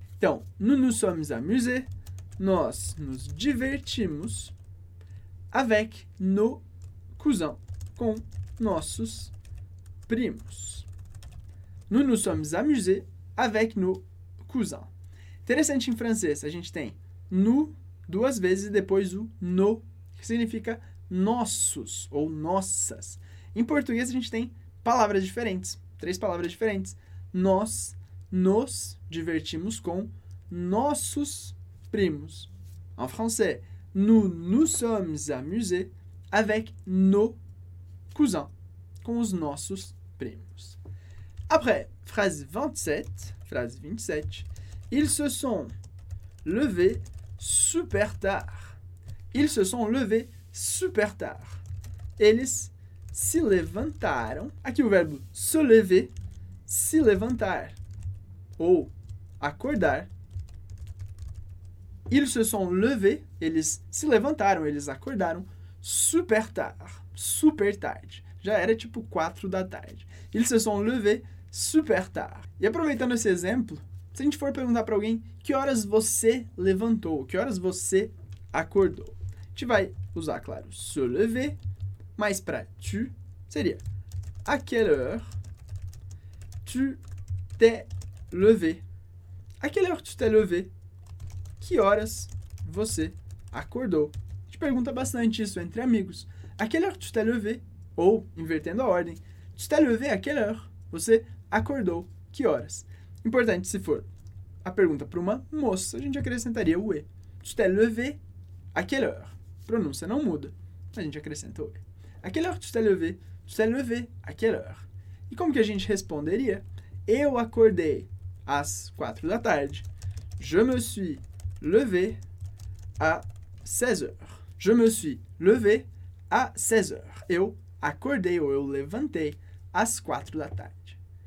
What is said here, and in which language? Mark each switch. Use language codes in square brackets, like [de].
[pt] Então, [fr] nous nous sommes amusés. [pt] Nós nos divertimos [fr] avec nos cousins, [pt] com nossos primos. [fr] Nous nous sommes amusés avec nos cousins. [pt] Interessante, em francês, a gente tem nous duas vezes e depois o no, que significa nossos ou nossas. Em português, a gente tem palavras diferentes, três palavras diferentes. Nós nos divertimos com nossos primos. [fr] En français, nous nous sommes amusés avec nos cousins, [pt] com os nossos primos. [fr] Après, phrase 27, phrase 27, ils se sont levés super tard. Ils se sont levés super tard. [pt] Eles se levantaram. Aqui o verbo se lever, se levantar ou acordar. [fr] Ils se sont levés, [pt] eles se levantaram, eles acordaram [fr] super tard, [pt] super tarde. Já era tipo 4 da tarde. Ils se sont levés super tard. E aproveitando esse exemplo, se a gente for perguntar para alguém que horas você levantou, que horas você acordou, a gente vai usar, claro, se lever, mas para tu seria [fr] à quelle heure tu t'es levé? À quelle heure tu t'es levé? [pt] Que horas você acordou? A gente pergunta bastante isso entre amigos. [fr] À quelle heure tu t'es levé? Ou, invertendo a ordem, tu t'es levé à quelle heure? [pt] Você acordou? Que horas? Importante, se for a pergunta para uma moça, a gente acrescentaria o E. [fr] Tu t'es levé à quelle heure? [pt] Pronúncia não muda, a gente acrescenta o E. [fr] À quelle heure tu t'es levé? Tu t'es levé à quelle heure? [pt] E como que a gente responderia? Eu acordei às 4 da tarde. [fr] Je me suis levé à 16 heures. Je me suis levé à 16 heures. [pt] Eu acordei ou eu levantei às 4 da tarde.